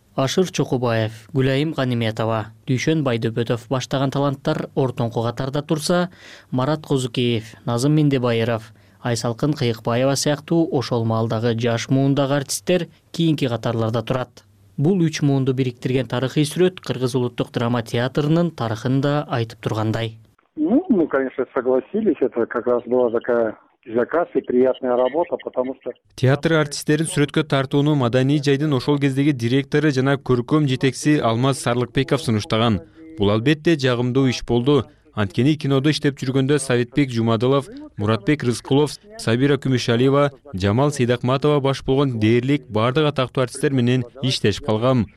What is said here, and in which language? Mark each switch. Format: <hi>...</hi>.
<ky>Ашыр Чокубаев, Гүлайым Ганиметова, Дүйшөн Байдөбөтов баштаган таланттар ортоңку катарда турса, Марат Козукеев, Назым Мендебайыров, Айсалкын Кыйыкбаева сыяктуу ошол маалдагы жаш муундагы артисттер кийинки катарларда турат. Бул үч муунду бириктирген тарыхый сүрөт Кыргыз улуттук драма театрынын тарыхын да айтып тургандай.</ky> <ru>Мы, конечно, согласились. Это как раз была такая заказ и приятная работа, потому что</ru> <ky>театр артисттерин сүрөткө тартууну маданий жайдын ошол кездеги директору жана көркөм жетекчиси Алмаз Сарлыкбеков сунуштаган. Бул албетте жагымдуу иш болду. Анткени кинодо иштеп жүргөндө Советбек Жумадылов, Муратбек Рыскулов, Сабира Күмүшалиева, Жамал Сейдакматова баш болгон дээрлик бардык атактуу артисттер менен иштешип калгам.</ky>